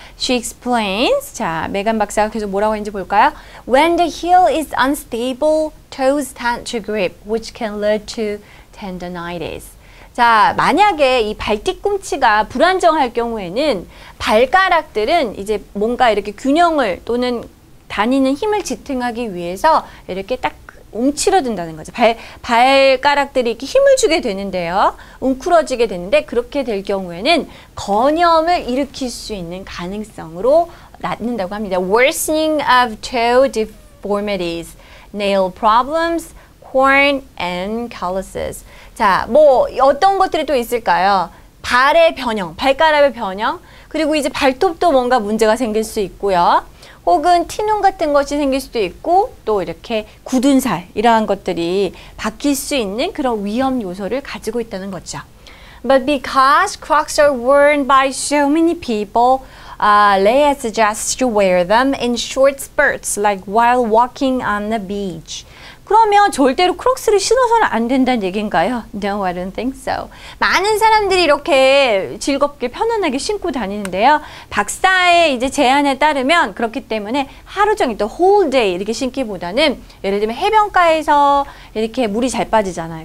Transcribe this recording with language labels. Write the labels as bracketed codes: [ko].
[en] She explains, [ko] 자, 메간 박사가 계속 뭐라고 했는지 볼까요? [en] When the heel is unstable, toes tend to grip, which can lead to tendonitis. [ko] 자, 만약에 이 발 뒤꿈치가 불안정할 경우에는 발가락들은 이제 뭔가 이렇게 균형을 또는 다니는 힘을 지탱하기 위해서 이렇게 딱 움츠러든다는 거죠. 발가락들이 이렇게 힘을 주게 되는데요. 웅크러지게 되는데 그렇게 될 경우에는 건염을 일으킬 수 있는 가능성으로 낮는다고 합니다. [en] Worsening of toe deformities, nail problems, corn and calluses. [ko] 자, 뭐 어떤 것들이 또 있을까요? 발의 변형, 발가락의 변형, 그리고 이제 발톱도 뭔가 문제가 생길 수 있고요. 혹은 티눈 같은 것이 생길 수도 있고 또 이렇게 굳은 살 이러한 것들이 바뀔 수 있는 그런 위험 요소를 가지고 있다는 거죠. [en] But because Crocs are worn by so many people, Leia suggests to wear them in short spurts like while walking on the beach. [ko] 그러면 절대로 크록스를 신어서는 안 된다는 얘기인가요? [en] No, I don't think so. [ko] 많은 사람들이 이렇게 즐겁게 편안하게 신고 다니는데요. 박사의 이제 제안에 따르면 그렇기 때문에 하루 종일 또 [en] whole day [ko] 이렇게 신기보다는 예를 들면 해변가에서 이렇게 물이 잘 빠지잖아요.